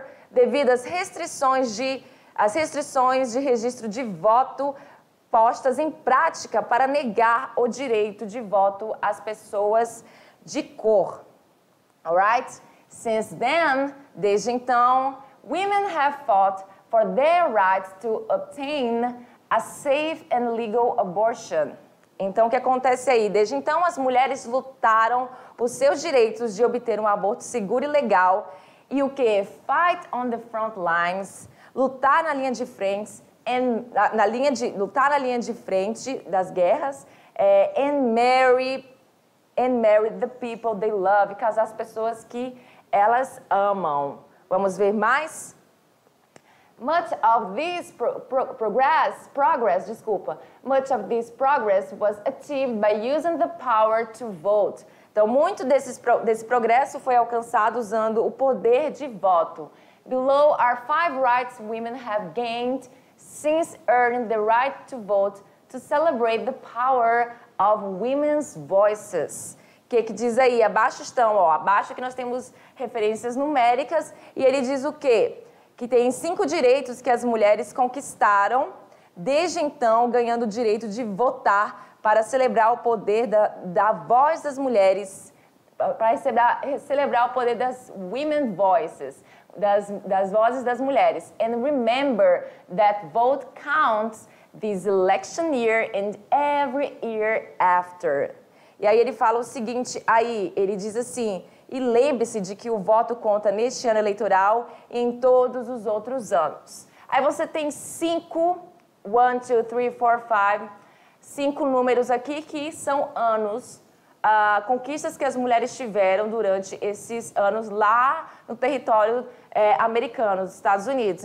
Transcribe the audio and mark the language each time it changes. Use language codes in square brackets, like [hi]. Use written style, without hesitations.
[pt] Devido às restrições de registro de voto postas em prática para negar o direito de voto às pessoas de cor. [en] All right? Since then, [pt] desde então, [en] women have fought for their right to obtain a safe and legal abortion. [pt] Então, o que acontece aí? Desde então, as mulheres lutaram por seus direitos de obter um aborto seguro e legal. E o quê? [en] Fight on the front lines, [pt] lutar na linha de frente, das guerras, [en] and marry the people they love, [pt] casar as pessoas que elas amam. Vamos ver mais? [en] Much of this progress was achieved by using the power to vote. [pt] Então, muito desse progresso foi alcançado usando o poder de voto. [en] Below are five rights women have gained since earning the right to vote to celebrate the power of women's voices. [pt] Que diz aí? Abaixo estão, ó, abaixo que nós temos referências numéricas, e ele diz o quê? Que tem cinco direitos que as mulheres conquistaram, desde então ganhando o direito de votar para celebrar o poder da voz das mulheres, para celebrar o poder das [en] women's voices, [pt] das vozes das mulheres. [en] And remember that vote counts this election year and every year after. [pt] E aí ele fala o seguinte, aí ele diz assim, e lembre-se de que o voto conta neste ano eleitoral e em todos os outros anos. Aí você tem cinco números aqui que são anos, conquistas que as mulheres tiveram durante esses anos lá no território americano, dos Estados Unidos.